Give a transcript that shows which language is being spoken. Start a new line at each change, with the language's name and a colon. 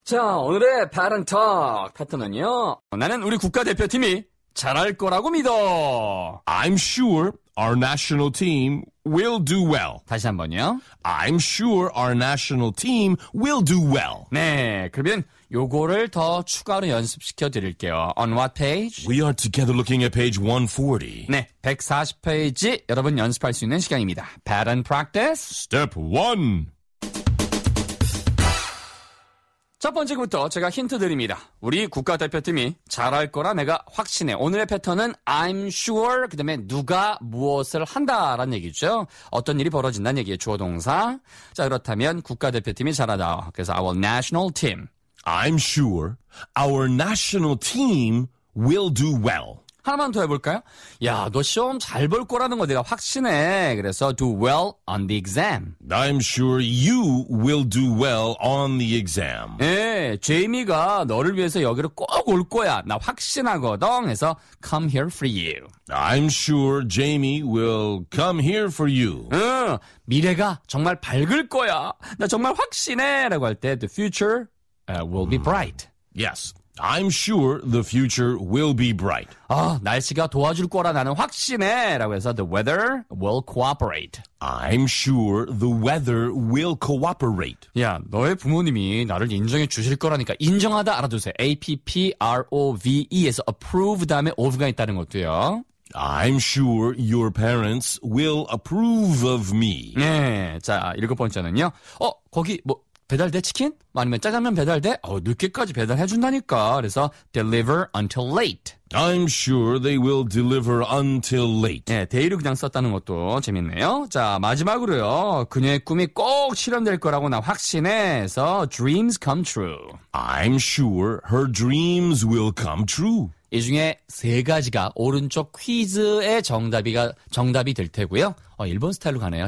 Korean: 자, 오늘의 파랑톡 패턴은요. 나는 우리 국가대표팀이 잘할 거라고 믿어.
English: I'm sure our national team will do well.
Korean: 다시 한번요.
English: I'm sure our national team will do well.
Korean: 네, 그러면 요거를 더 추가로 연습시켜 드릴게요.
English: On what page? We are together looking at page 140.
Korean: 네, 140페이지 여러분 연습할 수 있는 시간입니다.
English: Pattern practice. Step 1.
Korean: 첫 번째부터 제가 힌트 드립니다. 우리 국가대표팀이 잘할 거라 내가 확신해. 오늘의 패턴은
English: I'm sure,
Korean: 그 다음에 누가 무엇을 한다라는 얘기죠. 어떤 일이 벌어진다는 얘기예요. 주어 동사. 자, 그렇다면 국가대표팀이 잘하다. 그래서
English: our national team. I'm sure our national team will do well.
Korean: 하나만 더 해볼까요? 야, 너 시험 잘 볼 거라는 거 내가 확신해. 그래서
English: do well on the exam. I'm sure you will do well on the exam.
Korean: 네, 제이미가 너를 위해서 여기로 꼭 올 거야. 나 확신하거든. 해서
English: come here for you. I'm sure Jamie will come here for you.
Korean: 응, 미래가 정말 밝을 거야. 나 정말 확신해. 라고 할 때
English: the future will be bright. Yes. I'm sure the future will be bright.
Korean: 아, 날씨가 도와줄 거라 나는 확신해. 라고 해서
English: the weather will cooperate. I'm sure the weather will cooperate.
Korean: 야, 너의 부모님이 나를 인정해 주실 거라니까 인정하다 알아두세요. A-P-P-R-O-V-E에서 approve 다음에 of가 있다는 것도요.
English: I'm sure your parents will approve of me.
Korean: 네, 자, 일곱 번째는요. 어, 거기 뭐... 배달돼 치킨? 아니면 짜장면 배달돼? 어, 늦게까지 배달해준다니까.
English: 그래서 deliver until late. I'm sure they will deliver until late.
Korean: 네, 데이를 그냥 썼다는 것도 재밌네요. 자, 마지막으로요. 그녀의 꿈이 꼭 실현될 거라고 나 확신해.
English: 그래서 dreams come true. I'm sure her dreams will come true.
Korean: 이 중에 세 가지가 오른쪽 퀴즈의 정답이 될 테고요. 어, 일본 스타일로 가네요.